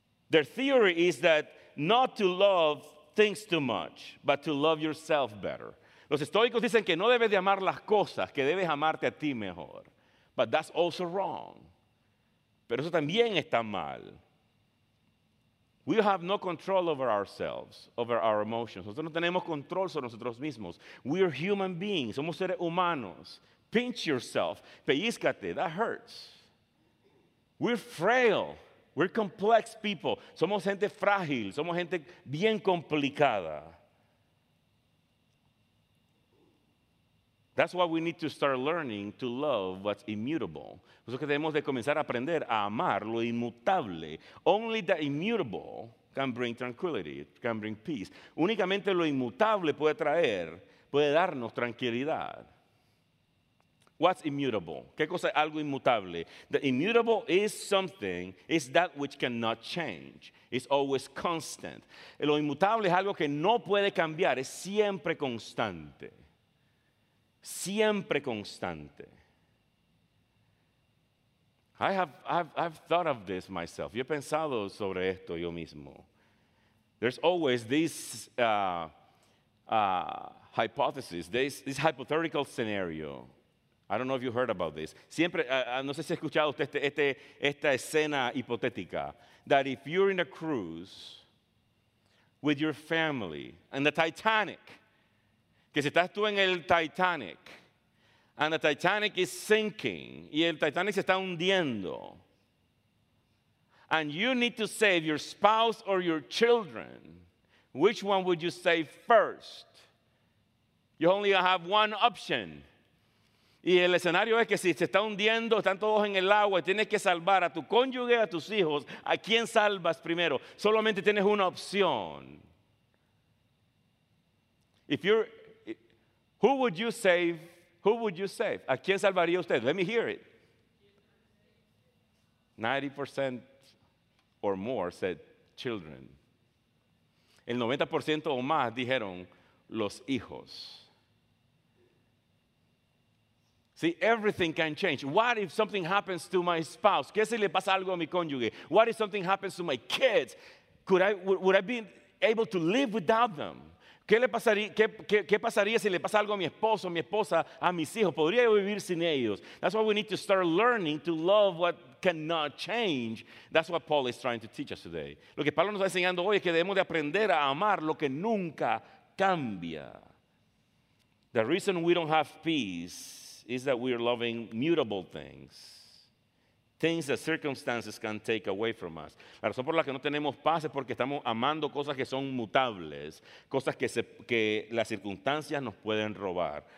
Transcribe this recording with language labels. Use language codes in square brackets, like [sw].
[en] Their theory is that not to love things too much, but to love yourself better. [es] Los estoicos dicen que no debes de amar las cosas, que debes amarte a ti mejor. [en] But that's also wrong. [es] Pero eso también está mal. [en] We have no control over ourselves, over our emotions. [es] Nosotros no tenemos control sobre nosotros mismos. [en] We are human beings. [es] Somos seres humanos. [en] Pinch yourself. [es] Pellízcate. [en] That hurts. We're frail. We're complex people. [es] Somos gente frágil. Somos gente bien complicada. [en] That's why we need to start learning to love what's immutable. [es] Por eso que debemos de comenzar a aprender a amar lo inmutable. [en] Only the immutable can bring tranquility, can bring peace. [es] Únicamente lo inmutable puede traer, puede darnos tranquilidad. [en] What's immutable? [es] ¿Qué cosa es algo inmutable? [en] The immutable is something, is that which cannot change. It's always constant. [es] Lo inmutable es algo que no puede cambiar, es siempre constante. Siempre constante. [en] I've thought of this myself. [es] Yo he pensado sobre esto yo mismo. [en] There's always this hypothesis, this hypothetical scenario. I don't know if you heard about this. [es] Siempre, no sé si ha escuchado usted esta escena hipotética. [en] That if you're in a cruise with your family and the Titanic, [es] que si estás tú en el Titanic, [en] and the Titanic is sinking, [es] y el Titanic se está hundiendo, [en] and you need to save your spouse or your children, which one would you save first? You only have one option. [es] Y el escenario es que si se está hundiendo, están todos en el agua, tienes que salvar a tu cónyuge, a tus hijos, ¿a quién salvas primero? Solamente tienes una opción. [en] If you're, who would you save? Who would you save? [es] ¿A quién salvaría usted? [en] Let me hear it. 90% or more said children. [es] El 90% o más dijeron los hijos. [en] See, everything can change. What if something happens to my spouse? [es] ¿Qué si le pasa algo a mi cónyuge? [en] What if something happens to my kids? Would I be able to live without them? [es] ¿Qué pasaría si le pasa algo a mi esposo, a mi esposa, a mis hijos? ¿Podría yo vivir sin ellos? [en] That's why we need to start learning to love what cannot change. That's what Paul is trying to teach us today. [es] Lo que Pablo nos está enseñando hoy es que debemos de aprender a amar lo que nunca cambia. [en] The reason we don't have peace is that we are loving mutable things. Things that circumstances can take away from us. [es] La razón por la que no tenemos paz es porque estamos amando cosas que son mutables, cosas que las circunstancias nos pueden robar.